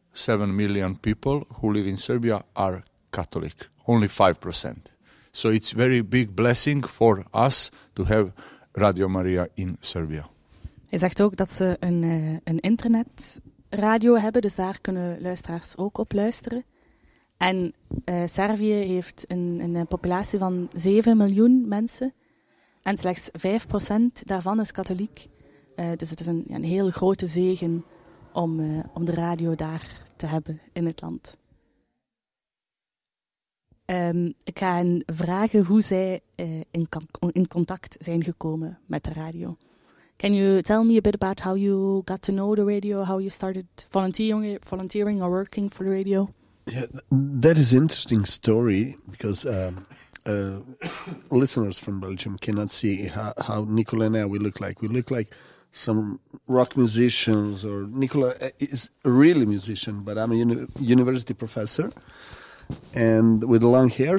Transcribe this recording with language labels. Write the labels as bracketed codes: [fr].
[en] 7 million people who live in Serbia are Catholic, only 5%. So it's very big blessing for us to have Radio Maria in Serbia. [nl] Hij zegt ook dat ze een internetradio hebben, dus daar kunnen luisteraars ook op luisteren. En Servië heeft een populatie van 7 miljoen mensen en slechts 5% daarvan is katholiek. Dus het is een heel grote zegen om de radio daar te hebben in het land. Ik ga hen vragen hoe zij in contact zijn gekomen met de radio. [en] Can you tell me a bit about how you got to know the radio, how you started volunteering or working for the radio? Yeah, that is interesting story because listeners from Belgium cannot see how Nicola and I we look like. We look like some rock musicians, or Nicola is really a musician, but I'm a university professor and with long hair.